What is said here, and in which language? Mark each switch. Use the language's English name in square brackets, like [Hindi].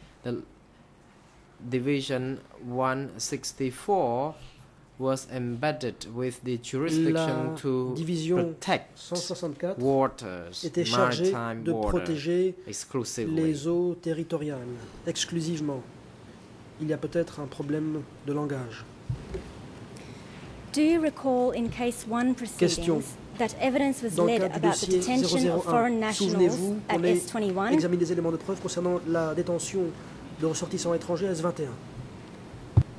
[English] The division 164 was embedded with the jurisdiction to protect waters, maritime waters, exclusively. Les eaux territoriales, exclusivement. [French] Il y a peut-être un problème de langage. [English] Do you recall in case one proceedings question. That evidence was led about the detention 001, of foreign nationals at S21? [French] Examine des éléments de preuve concernant la détention de ressortissants étrangers à S21.